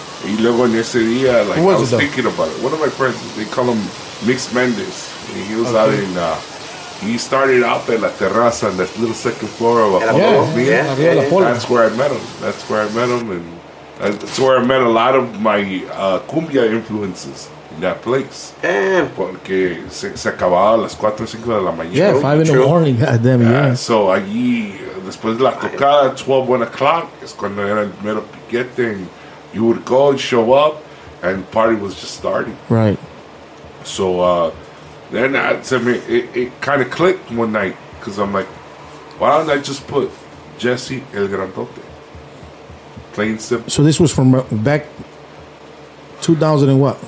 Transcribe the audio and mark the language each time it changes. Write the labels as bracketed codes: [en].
[es] Y luego en ese día, [en] like, I was thinking about it. One of my friends, they call him Mix Mendes. He was out in, he started up at La Terraza on that little second floor of a home. That's where I met him. And that's where I met a lot of my cumbia influences in that place. Damn. [es] Porque se acababa a las 4 o 5 de la mañana. [en] Yeah, 5 in the morning. Goddamn, yeah. [es] So allí, después de la tocada, 12, 1 o'clock, es cuando era el mero piquete. [en] And you would go and show up, and the party was just starting. Right. So, then it kind of clicked one night because I'm like, why don't I just put Jesse El Grandote? Plain simple. So this was from back 2000 and what?